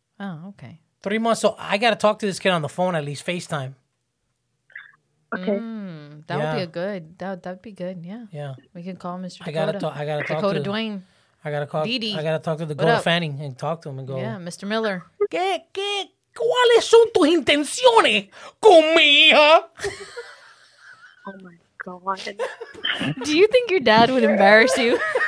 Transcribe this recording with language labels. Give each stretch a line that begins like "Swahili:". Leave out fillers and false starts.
English: Oh, okay. 3 months, so I got to talk to this kid on the phone, at least FaceTime. Okay. That would be good. Yeah. Yeah. We can call Mr. Dakota. I got to talk to Dakota Dwayne. I got to talk to the girl, Fanning, and talk to him and go. Yeah, Mr. Miller.
Spanish: ¿Qué? ¿Cuáles son tus intenciones con mi hija?
English: Oh, my God. Do you think your dad would embarrass you?